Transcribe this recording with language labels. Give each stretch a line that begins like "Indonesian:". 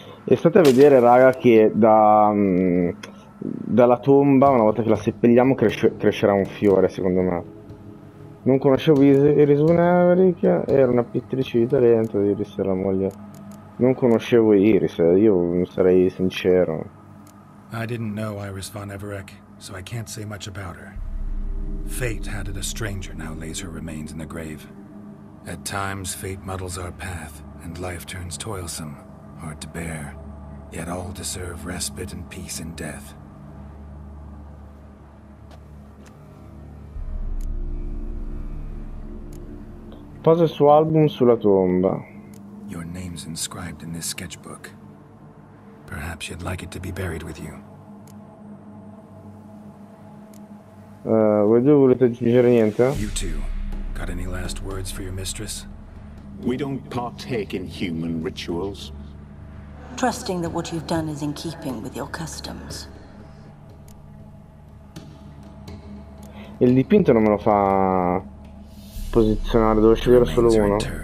Italian: E state a vedere, raga, che da dalla tomba, una volta che la seppelliamo, crescerà un fiore, secondo me. Non conoscevo Iris von Everick, era una pittrice di talento, Iris era la moglie. Non conoscevo Iris, io sarei sincero.
English: I didn't know Iris von Everick, so I can't say much about her. Fate had it a stranger now lays her remains in the grave. At times fate muddles our path, and life turns toilsome. Hard to bear, yet all deserve respite and peace in death.
Italian: Posa il suo album sulla tomba.
English: Your name's inscribed in this sketchbook. Perhaps you'd like it to be buried with you.
Italian: Voi due volete aggiungere niente?
English: You too. Got any last words for your mistress? We don't partake in human rituals. Trusting that what you've done is in keeping with your customs.
Italian: Il dipinto non me lo fa posizionare, devo scegliere solo uno.